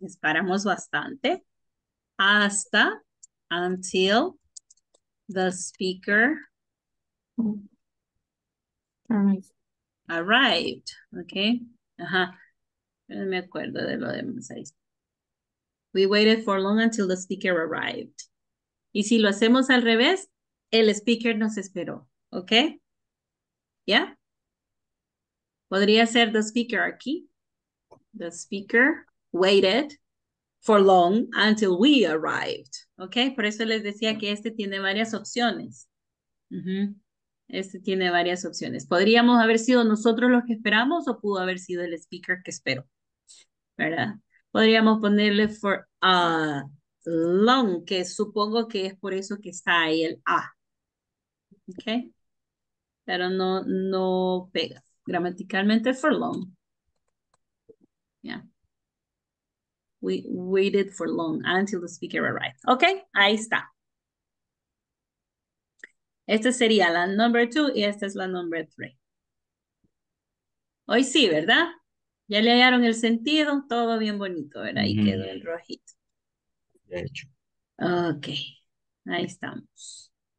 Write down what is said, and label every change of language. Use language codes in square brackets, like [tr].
[es] Esperamos bastante hasta, [en] until the speaker arrived, ¿ok? [es] Ajá, no me acuerdo de lo demás ahí. [en] We waited for long until the speaker arrived. [es] Y si lo hacemos al revés, el speaker nos esperó. Okay, yeah. Podría ser the speaker aquí. [en] The speaker waited for long until we arrived. [es] Okay, por eso les decía que este tiene varias opciones. Este tiene varias opciones. Podríamos haber sido nosotros los que esperamos o pudo haber sido el speaker que esperó, ¿verdad? Podríamos ponerle [en] for a long, [es] que supongo que es por eso que está ahí el a. Okay. Pero no, no pega. [en] Gramaticalmente, for long. Yeah. We waited for long until the speaker arrived. [es] Ok, ahí está. Esta sería la number two y esta es la number three. Hoy sí, ¿verdad? Ya le hallaron el sentido. Todo bien bonito, ¿verdad? Ahí quedó el rojito. De hecho. Ok, ahí estamos.